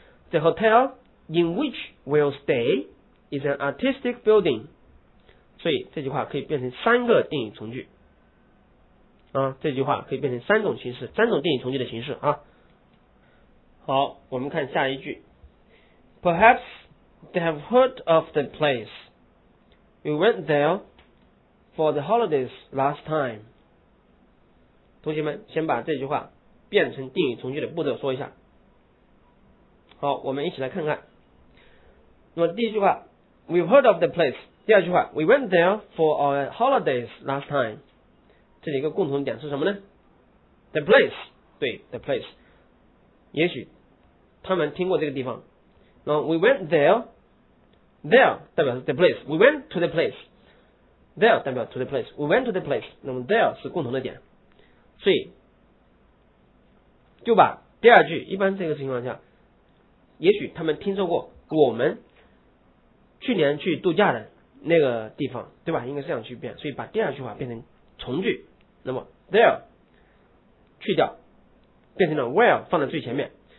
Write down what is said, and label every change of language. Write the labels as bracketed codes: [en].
[en] The hotel in which we'll stay is an artistic building。 [zh] 所以这句话可以变成三个定语从句啊，这句话可以变成三种形式，三种定语从句的形式啊。好，我们看下一句。 [en] Perhaps they have heard of the place. We went there for the holidays last time. [zh] 同学们先把这句话变成定语从句的步骤说一下。好，我们一起来看看。那么第一句话 [en] We've heard of the place。 [zh] 第二句话 [en] We went there for our holidays last time。 [zh] 这里一个共同点是什么呢？ [en] The place， [zh] 对， The place， 也许他们听过这个地方。那么 [en] We went there， There [zh] 代表是 [en] the place， We went to the place， There [zh] 代表 [en] to the place， We went to the place。 [zh] 那么 there 是共同的点，所以就把第二句，一般这个情况下也许他们听说过我们去年去度假的那个地方，对吧？应该是这样去变，所以把第二句话变成从句，那么 there 去掉，变成了 where 放在最前面。